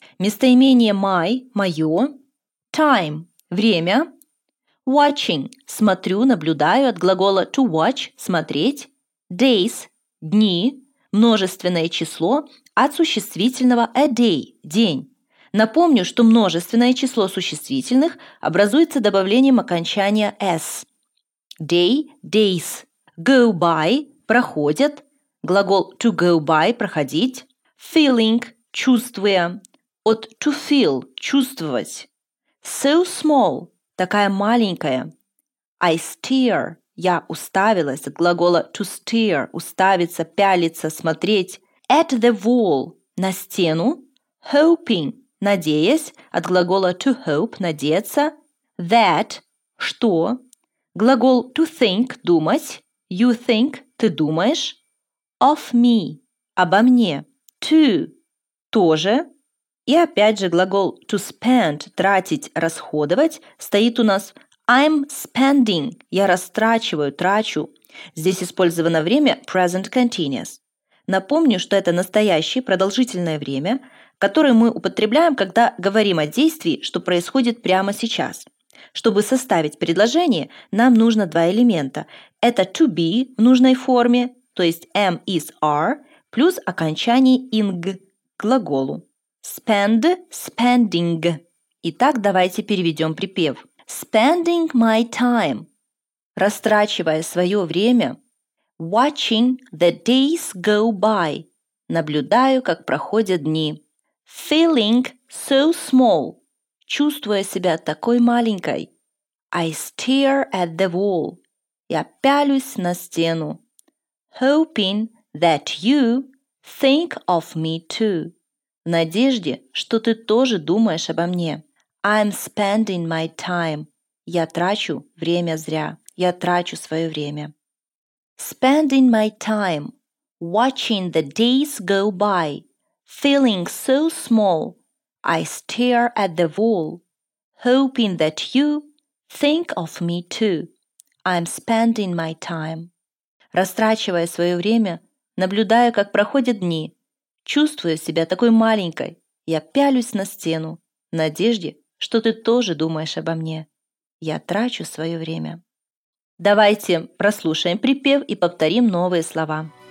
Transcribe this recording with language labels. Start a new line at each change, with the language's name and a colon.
Russian: Местоимение
English: my
Russian: – мое, time – время,
English: watching
Russian: – смотрю, наблюдаю, от глагола
English: to watch
Russian: – смотреть, days – дни, множественное число, от существительного
English: a day
Russian: – день. Напомню, что множественное число существительных образуется добавлением окончания s.
English: Day – days. Go by –
Russian: проходят.
English: Глагол to go by –
Russian: проходить.
English: Feeling
Russian: – чувствуя. От
English: to feel
Russian: – чувствовать.
English: So small
Russian: – такая маленькая.
English: I stare
Russian: – я уставилась. От глагола
English: to stare
Russian: – уставиться, пялиться, смотреть.
English: At the wall –
Russian: на стену.
English: Hoping
Russian: – надеясь, от глагола
English: to hope,
Russian: надеяться, that, что, глагол
English: to think,
Russian: думать,
English: you think,
Russian: ты думаешь,
English: of me,
Russian: обо мне, to, тоже, и опять же глагол
English: to spend,
Russian: тратить, расходовать, стоит у нас
English: I'm spending,
Russian: я растрачиваю, трачу, здесь использовано время
English: present continuous.
Russian: Напомню, что это настоящее продолжительное время, которые мы употребляем, когда говорим о действии, что происходит прямо сейчас. Чтобы составить предложение, нам нужно два элемента. Это
English: to be
Russian: в нужной форме, то есть
English: am is are,
Russian: плюс окончание ing к глаголу.
English: Spend – spending.
Russian: Итак, давайте переведем припев.
English: Spending my time
Russian: – растрачивая свое время.
English: Watching the days go by –
Russian: наблюдаю, как проходят дни.
English: Feeling so small,
Russian: чувствуя себя такой маленькой.
English: I stare at the wall,
Russian: я пялюсь на стену.
English: Hoping that you think of me too,
Russian: в надежде, что ты тоже думаешь обо мне.
English: I'm spending my time,
Russian: я трачу время зря, я трачу свое время.
English: Spending my time, watching the days go by. Feeling so small, I stare at the wall, hoping that you think of me too. I'm spending my time.
Russian: Растрачивая свое время, наблюдаю, как проходят дни, чувствуя себя такой маленькой, я пялюсь на стену, в надежде, что ты тоже думаешь обо мне. Я трачу свое время. Давайте прослушаем припев и повторим новые слова.